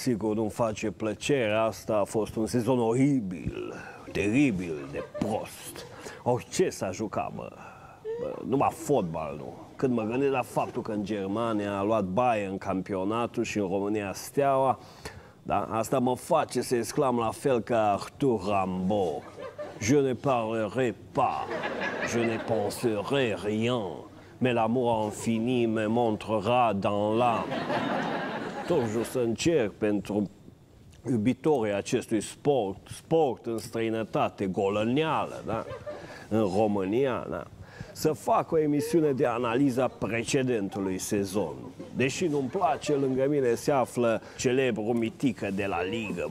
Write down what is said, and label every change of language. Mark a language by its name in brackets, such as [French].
[Romanian] Sigur, nu-mi face plăcere, asta a fost un sezon oribil, teribil, de prost. Orice s-a jucat, mă. Numai fotbal, nu. Când mă gândesc la faptul că în Germania a luat Bayern în campionatul și în România Steaua, da, asta mă face să exclam la fel ca Arthur Rimbaud. [French] Je ne parlerai pas, je ne penserai rien, mais l'amour infini me montrera dans l'âme. [Romanian] Toujours să încerc pentru iubitorii acestui sport, sport în străinătate, golăneală, da, în România, da, să fac o emisiune de analiza precedentului sezon. Deși nu-mi place, lângă mine se află celebru mitică de la Ligă.